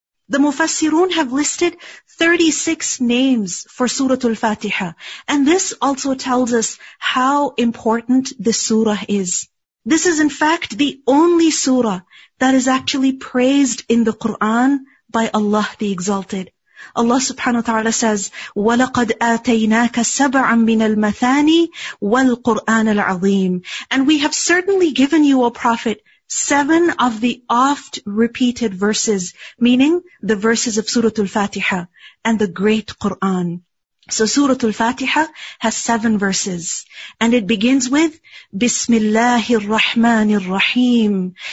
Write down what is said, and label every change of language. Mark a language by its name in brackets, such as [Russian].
[English] The Mufassirun have listed 36 names for Surah Al-Fatiha. And this also tells us how important this surah is. This is in fact the only surah that is actually praised in the Qur'an by Allah the Exalted. [Arabic] Allah subhanahu wa ta'ala says, وَلَقَدْ آتَيْنَاكَ سَبْعًا مِنَ الْمَثَانِي وَالْقُرْآنَ الْعَظِيمِ. [English] And we have certainly given you, O Prophet, 7 of the oft-repeated verses, meaning the verses of Surah Al-Fatiha and the great Qur'an. So Surah Al-Fatiha has 7 verses. And it begins with, [Arabic] Bismillahir Rahmanir Rahim.